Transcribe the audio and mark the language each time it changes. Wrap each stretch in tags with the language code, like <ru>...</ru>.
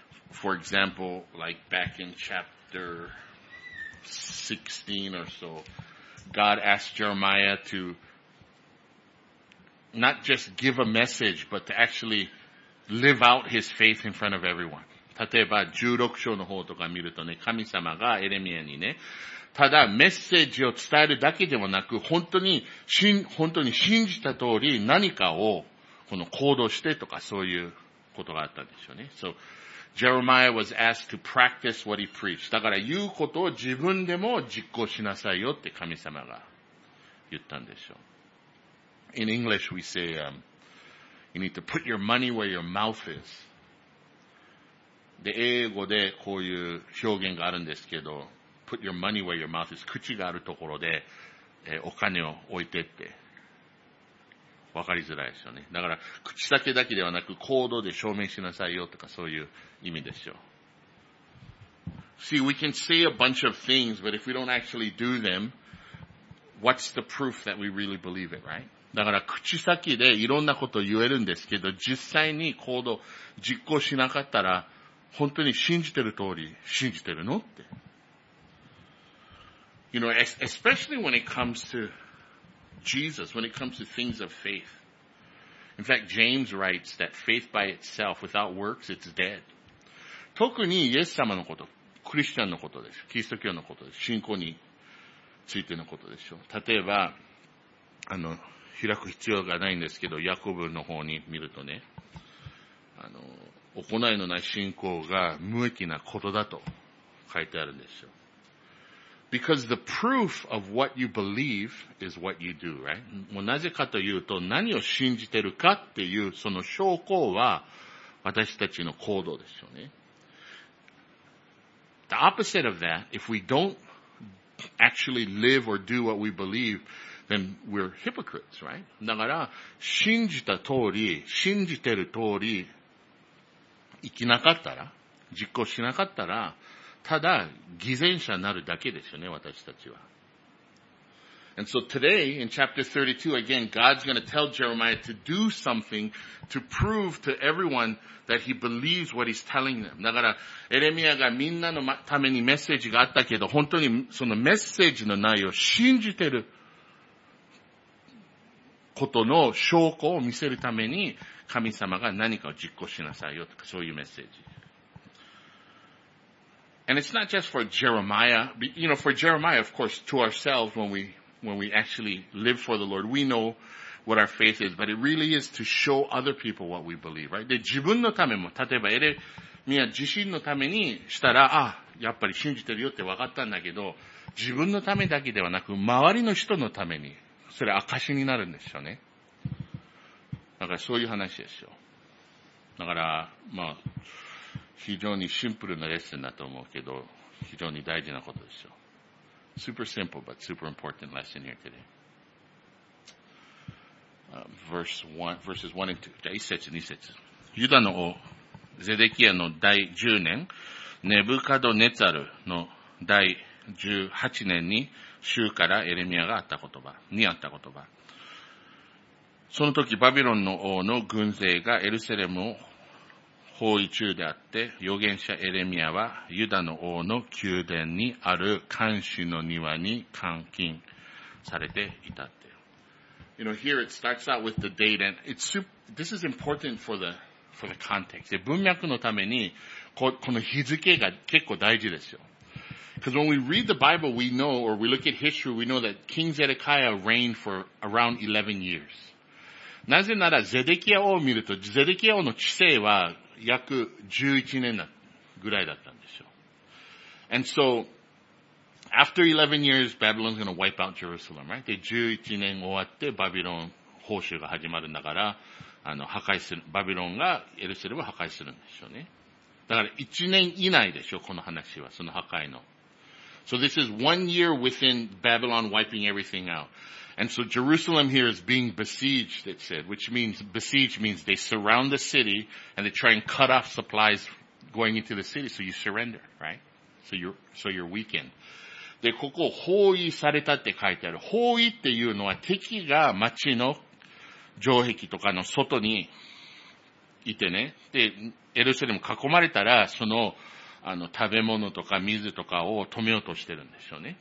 <en>For example, like back in chapter 16 or so, God asked Jeremiah to not just give a message, but to actually live out his faith in front of everyone.</en> <ja>例えば16章の方とか見るとね、神様がエレミアにね、ただメッセージを伝えるだけではなく、本当に信じた通り何かをこの行動してとかそういうことがあったんですよね。</ja> <en>So,Jeremiah was asked to practice what he preached.</en> <ja>だから言うことを自分でも実行しなさいよって神様が言ったんでしょう。</ja> <en>In English we say, you need to put your money where your mouth is.</en> <ja>で、英語でこういう表現があるんですけど、</ja> <en>put your money where your mouth is.</en> <ja>口があるところで、お金を置いてって。わかりづらいですよね。だから、口先だけではなく、行動で証明しなさいよとか、そういう意味ですよ。</ja> <en>See, we can say a bunch of things, but if we don't actually do them, what's the proof that we really believe it, right?</en> <ja>だから、口先でいろんなことを言えるんですけど、実際に行動、実行しなかったら、本当に信じてる通り、信じてるのって。</ja> <en>You know, especially when it comes to,Jesus, when it comes to things of faith. In fact, James writes that faith by itself, without works, it's dead.</en> <ja>特にイエス様のこと、クリスチャンのことです。キリスト教のことです。信仰についてのことでしょう。例えば、開く必要がないんですけど、ヤコブの方に見るとね、行いのない信仰が無益なことだと書いてあるんですよ。</ja> <en>Because the proof of what you believe is what you do, right?</en> <ja>もうなぜかというと、何を信じてるかっていうその証拠は私たちの行動ですよね。</ja> <en>The opposite of that, if we don't actually live or do what we believe, then we're hypocrites, right?</en> <ja>だから、信じてる通り、生きなかったら、実行しなかったら、ただ、偽善者になるだけですよね、私たちは。</ja> <en>And so today, in chapter 32, again, God's going to tell Jeremiah to do something to prove to everyone that he believes what he's telling them.</en> <ja>だから、エレミアがみんなのためにメッセージがあったけど、本当にそのメッセージの内容を信じてることの証拠を見せるために、神様が何かを実行しなさいよ、とか、そういうメッセージ。</ja> <en>And it's not just for Jeremiah. You know, for Jeremiah, of course, to ourselves, when we actually live for the Lord, we know what our faith is. But it really is to show other people what we believe, right?</en> <ja>で、自分のためも、例えば、エレミア自身のためにしたら、あ、やっぱり信じてるよって分かったんだけど、自分のためだけではなく、周りの人のために、それ証になるんですよね。だからそういう話ですよ。だから、まあ、非常にシンプルなレッスンだと思うけど、非常に大事なことですよ。</ja> <en>Super simple, but super important lesson here today. Verses 1 and 2.</en> <ja>じゃあ1節2節。ユダの王、ゼデキヤの第10年、ネブカドネツァルの第18年に、主からエレミアがあった言葉、にあった言葉。その時、バビロンの王の軍勢がエルセレムを包囲中であって、預言者エレミアはユダの王の宮殿にある監視の庭に監禁されていた。</ja> <en>You know, here it starts out with the date, and this is important for the context.</en> <ja>文脈のために、この日付が結構大事ですよ。</ja> <en>Because when we read the Bible, we know, or we look at history, we know that King Zedekiah reigned for around 11 years.</en> <ja>なぜなら、ゼデキヤ王を見ると、ゼデキヤ王の治世は約11年ぐらいだったんですよ。</ja> <en>And so,After 11 years, Babylon's going to wipe out Jerusalem, right?</en> <ja>で、11年終わって、バビロン報酬が始まるんだから、破壊する、バビロンがエルサレムを破壊するんですよね。だから、1年以内でしょ、この話は、その破壊の。</ja> <en>So this is one year within Babylon wiping everything out. And so Jerusalem here is being besieged, it said, which means, besieged means they surround the city and they try and cut off supplies going into the city, so you surrender, right? So you're weakened.</en> <ja>で、ここ、包囲されたって書いてある。包囲っていうのは敵が町の城壁とかの外にいてね。で、エルサレム囲まれたら、その、食べ物とか水とかを止めようとしてるんですよね。</ja>